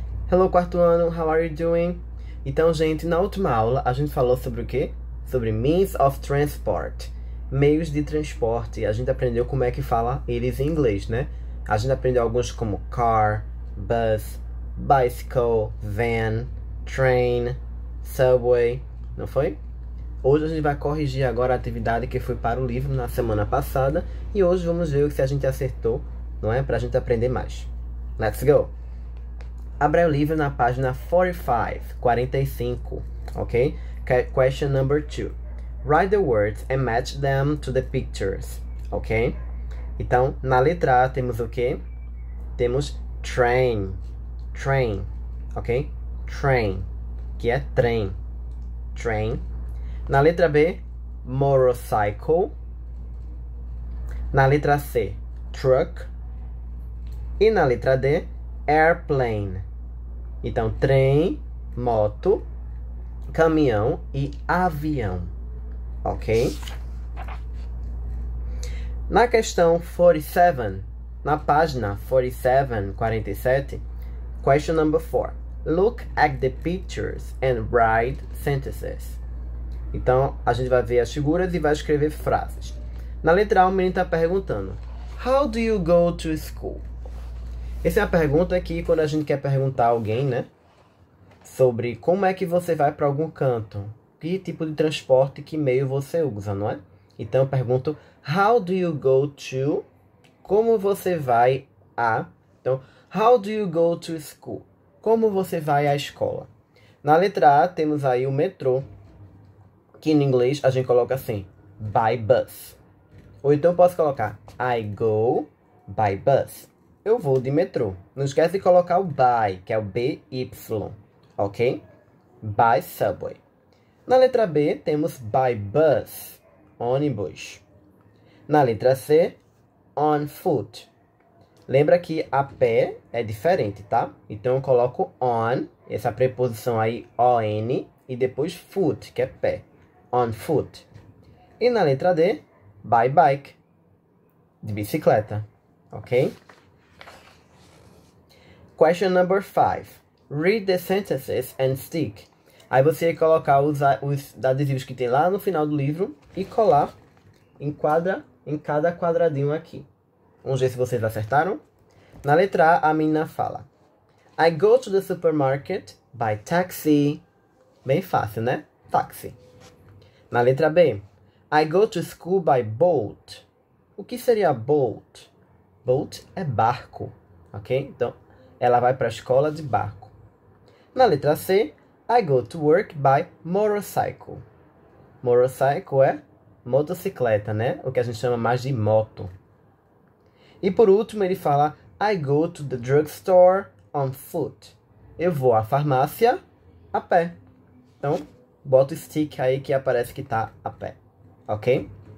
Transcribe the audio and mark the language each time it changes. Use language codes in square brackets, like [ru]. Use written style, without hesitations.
[en] Hello, [pt] quarto ano, [en] how are you doing? [pt] Então, gente, na última aula a gente falou sobre o quê? Sobre [en] means of transport, [pt] meios de transporte. A gente aprendeu como é que fala eles em inglês, né? A gente aprendeu alguns como car, bus, bicycle, van, train, subway, não foi? Hoje a gente vai corrigir agora a atividade que foi para o livro na semana passada e hoje vamos ver se a gente acertou, não é? Para a gente aprender mais. [en] Let's go! [pt] Abra o livro na página 45, ok? [en] Question number 2. Write the words and match them to the pictures, ok? [pt] Então, na letra A temos o quê? Temos train. Train, ok? Train, que é trem. Train. Na letra B, motorcycle. Na letra C, truck. E na letra D, airplane. Então, trem, moto, caminhão e avião. Ok? Na questão 47, na página 47, 47, [en] question number 4. Look at the pictures and write sentences. [pt] Então, a gente vai ver as figuras e vai escrever frases. Na letra A, o menino está perguntando: [en] How do you go to school? [pt] Essa é a pergunta que quando a gente quer perguntar a alguém, né? Sobre como é que você vai para algum canto? Que tipo de transporte, que meio você usa, não é? Então eu pergunto: [en] How do you go to? [pt] Como você vai a? [en] Então, How do you go to school? [pt] Como você vai à escola? Na letra A temos aí o metrô, que em inglês a gente coloca assim: by bus. Ou então eu posso colocar: [en] I go by bus. [pt] Eu vou de metrô. Não esquece de colocar o by, que é o BY, ok? [en] By subway. [pt] Na letra B, temos by bus, ônibus. Na letra C, [en] on foot. [pt] Lembra que a pé é diferente, tá? Então eu coloco on, essa preposição aí, on, e depois foot, que é pé. [en] On foot. [pt] E na letra D, [en] by bike, [pt] de bicicleta, ok? [en] Question number 5. Read the sentences and stick. [pt] Aí você colocar os adesivos que tem lá no final do livro e colar em cada quadradinho aqui. Vamos ver se vocês acertaram. Na letra A, a menina fala: [en] I go to the supermarket by taxi. [pt] Bem fácil, né? Táxi. Na letra B, [en] I go to school by boat. [pt] O que seria boat? Boat é barco, ok? Então, ela vai para a escola de barco. Na letra C, [en] I go to work by motorcycle. [pt] Motorcycle é motocicleta, né? O que a gente chama mais de moto. E por último, ele fala: [en] I go to the drugstore on foot. [pt] Eu vou à farmácia a pé. Então, bota o stick aí que aparece que tá a pé. Ok?